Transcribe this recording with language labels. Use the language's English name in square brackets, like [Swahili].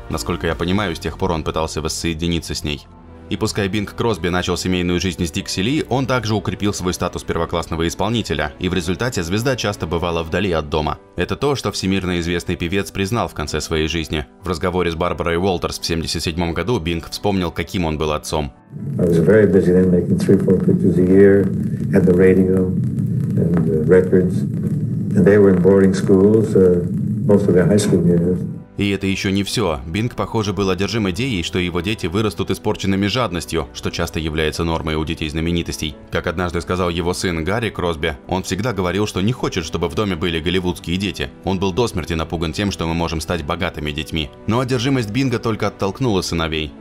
[Russian] Насколько я понимаю, с тех пор он пытался воссоединиться с ней». И пускай Бинг Кросби начал семейную жизнь с Дикси Ли, он также укрепил свой статус первоклассного исполнителя, и в результате звезда часто бывала вдали от дома. Это то, что всемирно известный певец признал в конце своей жизни. В разговоре с Барбарой Уолтерс в 1977 году Бинг вспомнил, каким он был отцом. [English] I was very busy then, making 3-4 pictures a year, had the radio and records, and they were in boarding schools, mostly high school years. [Russian] И это еще не все. Бинг, похоже, был одержим идеей, что его дети вырастут испорченными жадностью, что часто является нормой у детей знаменитостей. Как однажды сказал его сын Гарри Кросби, он всегда говорил, что не хочет, чтобы в доме были голливудские дети. Он был до смерти напуган тем, что мы можем стать богатыми детьми. Но одержимость Бинга только оттолкнула сыновей.